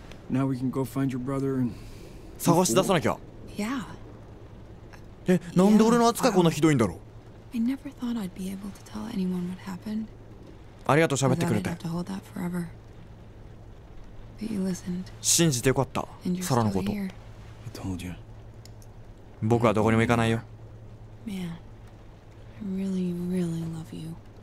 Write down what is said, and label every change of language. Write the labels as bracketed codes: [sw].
[en] Now we can go find your brother and [ja] 探し出さなきゃ。 [en] Yeah. [ja] え、なんで俺の扱いこんなひどいんだろう。 [en] I never thought I'd be able to tell anyone what happened. [ja] ありがとう、喋ってくれて。 [en] I'd have to hold that forever. But you listened. [ja] 信じてよかった、サラのこと。 [en] I told you. [ja] 僕はどこにも行かないよ。 [en] Man, I really, really love you.